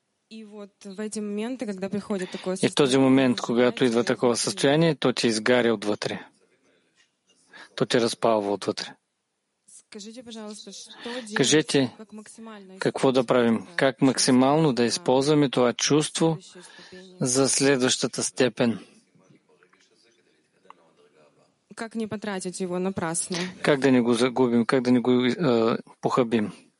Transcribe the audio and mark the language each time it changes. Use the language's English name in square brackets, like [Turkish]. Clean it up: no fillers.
[Bulgarian] И в този момент, когато идва такова състояние, то те изгаря отвътре. То те разпалва отвътре. Кажете, какво да правим? Как максимално да използваме това чувство за следващата степен? [Russian] Как не потратить его напрасно? [Bulgarian] Как да не го загубим, как да не го похабим?